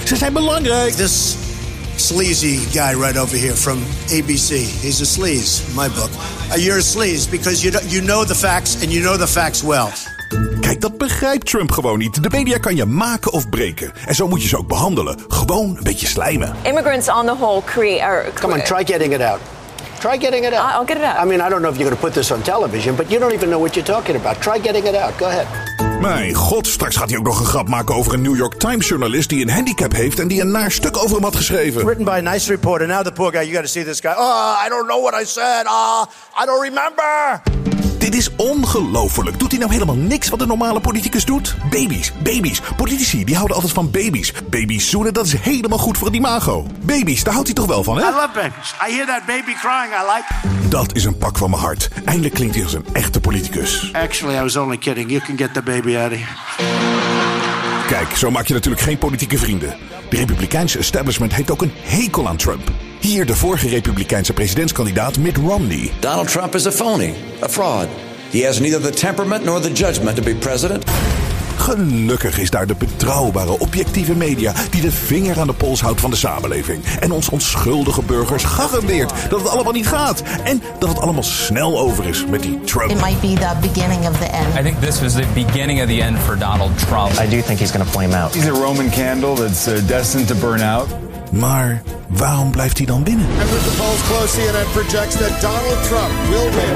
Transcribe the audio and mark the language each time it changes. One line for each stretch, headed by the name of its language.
Dutch: Ze zijn belangrijk.
English: This sleazy guy right over here from ABC. He's a sleaze, my book. You're a sleaze because you know the facts and you know the facts well.
Dutch: Kijk, dat begrijpt Trump gewoon niet. De media kan je maken of breken. En zo moet je ze ook behandelen. Gewoon een beetje slijmen.
English: Immigrants on the whole Come on, try getting it out. Try getting it out. I'll get it out. I mean, I don't know if you're going to put this on television, but you don't even know what you're talking about. Try getting it out. Go ahead.
Dutch: Mijn god, straks gaat hij ook nog een grap maken over een New York Times journalist die een handicap heeft en die een naar stuk over hem had geschreven.
English: Written by a nice reporter. Now the poor guy, you got to see this guy. Oh, I don't know what I said. Ah, I don't remember.
Dutch: Dit is ongelofelijk. Doet hij nou helemaal niks wat een normale politicus doet? Baby's. Politici, die houden altijd van baby's. Baby's zoenen, dat is helemaal goed voor het imago. Baby's, daar houdt hij toch wel van, hè?
English: I love babies. I hear that baby crying. I like.
Dutch: Dat is een pak van mijn hart. Eindelijk klinkt hij als een echte politicus.
English: Actually, I was only kidding. You can get the baby out of here.
Dutch: Kijk, zo maak je natuurlijk geen politieke vrienden. De Republikeinse establishment heeft ook een hekel aan Trump. Hier de vorige Republikeinse presidentskandidaat Mitt Romney.
English: Donald Trump is a phony, a fraud. He has neither the temperament nor the judgment to be president.
Dutch: Gelukkig is daar de betrouwbare, objectieve media die de vinger aan de pols houdt van de samenleving. En ons onschuldige burgers garandeert dat het allemaal niet gaat. En dat het allemaal snel over is met die Trump.
English: It might be the beginning of the end. I think this was the beginning of the end for Donald Trump. I do think he's going to flame out. He's a Roman candle that's destined to burn out.
Dutch: Maar waarom blijft hij dan binnen?
English: And with the polls close, CNN projects that Donald Trump will win.